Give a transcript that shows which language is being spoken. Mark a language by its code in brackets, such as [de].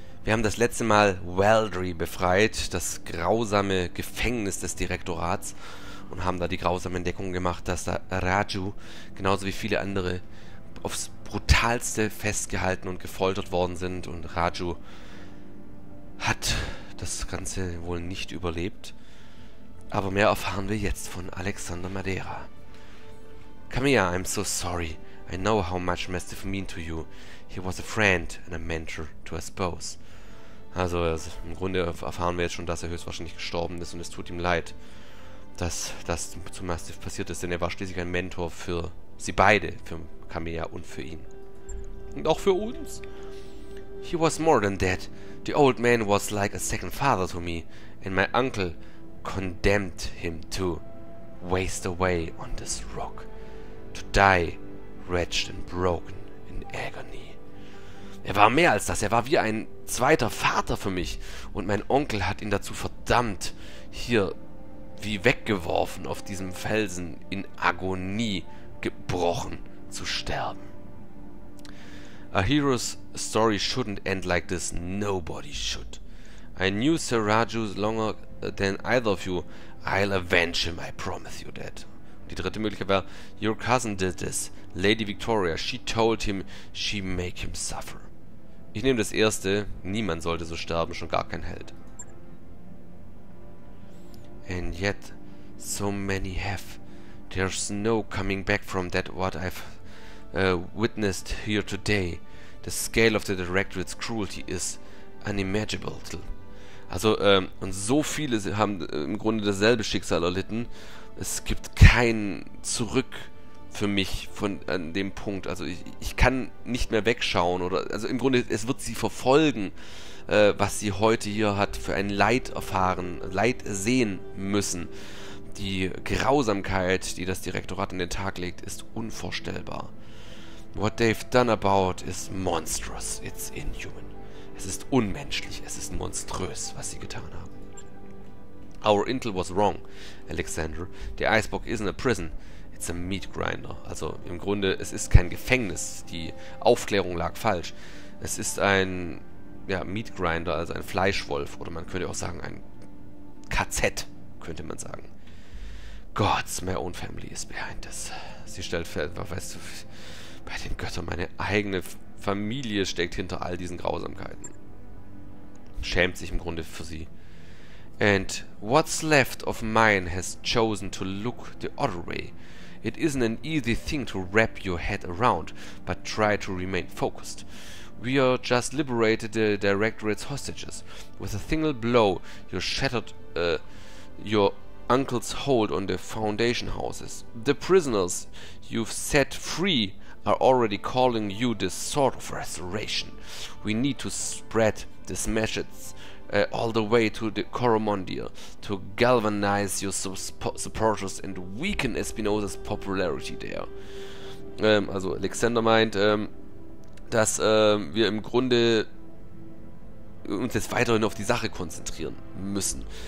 [de] Wir haben das letzte Mal Weldry befreit, das grausame Gefängnis des Direktorats, und haben da die grausame Entdeckung gemacht, dass da Raju, genauso wie viele andere, aufs Brutalste festgehalten und gefoltert worden sind, und Raju hat das Ganze wohl nicht überlebt. Aber mehr erfahren wir jetzt von Alexander Madeira. [en] Come here, I'm so sorry. I know how much Mastiff mean to you. He was a friend and a mentor to us both. [de] Also, im Grunde erfahren wir jetzt schon, dass er höchstwahrscheinlich gestorben ist, und es tut ihm leid, dass das zu Mastiff passiert ist, denn er war schließlich ein Mentor für sie beide, für Kamea und für ihn. Und auch für uns. [en] He was more than that. The old man was like a second father to me, and my uncle condemned him to waste away on this rock. To die, wretched and broken in agony. [de] Er war mehr als das, er war wie ein zweiter Vater für mich. Und mein Onkel hat ihn dazu verdammt, hier wie weggeworfen auf diesem Felsen in Agonie gebrochen zu sterben. [en] A hero's story shouldn't end like this, nobody should. I knew Sir Raju longer than either of you. I'll avenge him, I promise you that. [de] Die dritte Möglichkeit war, [en] your cousin did this, Lady Victoria, she told him, she make him suffer. [de] Ich nehme das erste, niemand sollte so sterben, schon gar kein Held. [en] And yet, so many have. There's no coming back from that what I've witnessed here today. The scale of the Directorate's cruelty is unimaginable. [de] Also, und so viele haben im Grunde dasselbe Schicksal erlitten. Es gibt kein Zurück für mich von an dem Punkt. Also ich kann nicht mehr wegschauen. Also im Grunde, es wird sie verfolgen, was sie heute hier hat für ein Leid erfahren, Leid sehen müssen. Die Grausamkeit, die das Direktorat an den Tag legt, ist unvorstellbar. [en] What they've done about is monstrous. It's inhuman. [de] Es ist unmenschlich. Es ist monströs, was sie getan haben. [en] Our intel was wrong, Alexander. The iceberg isn't a prison, it's a meat grinder. [de] Also im Grunde, es ist kein Gefängnis. Die Aufklärung lag falsch. Es ist ein Meat grinder, also ein Fleischwolf. Oder man könnte auch sagen, ein KZ, könnte man sagen. [en] Gods, my own family is behind this. [de] Sie stellt fest, weißt du, bei den Göttern, meine eigene Familie steckt hinter all diesen Grausamkeiten. Schämt sich im Grunde für sie. [en] And what's left of mine has chosen to look the other way. It isn't an easy thing to wrap your head around, but try to remain focused. We are just liberated the Directorate's hostages. With a single blow, you shattered your uncle's hold on the Foundation houses. The prisoners you've set free are already calling you this sort of restoration. We need to spread this message all the way to the Coromandir to galvanize your supporters and weaken Espinosas popularity there. [de] Also Alexander meint, dass wir im Grunde uns jetzt weiterhin auf die Sache konzentrieren müssen.